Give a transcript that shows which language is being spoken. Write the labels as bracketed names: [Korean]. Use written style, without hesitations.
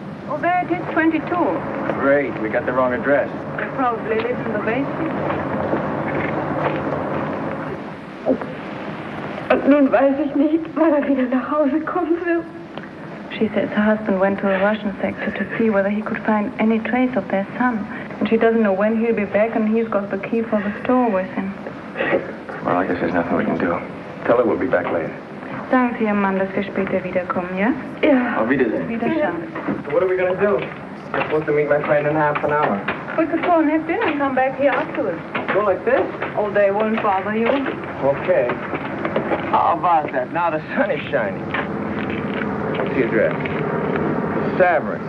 [English] Oh, there it is, 22. Great, we got the wrong address. They probably live in the basement. [German] Und nun weiß ich nicht, wann er wieder nach Hause kommen will. [English] She says her husband went to a Russian sector to see whether he could find any trace of their son. And she doesn't know when he'll be back, and he's got the key for the store with him. Well, I guess there's nothing we can do. Tell her we'll be back later. [German] Sagen Sie ihrem Mann, dass wir später wiederkommen, ja? Ja. Auf Wiedersehen. Wiedersehen. [English] So what are we going to do? I'm supposed to meet my friend in half an hour. We could go and have dinner and come back here afterwards. Go like this? Oh, they won't bother you. Okay. How about that? Now the sun is shining. What's the address? Saverin.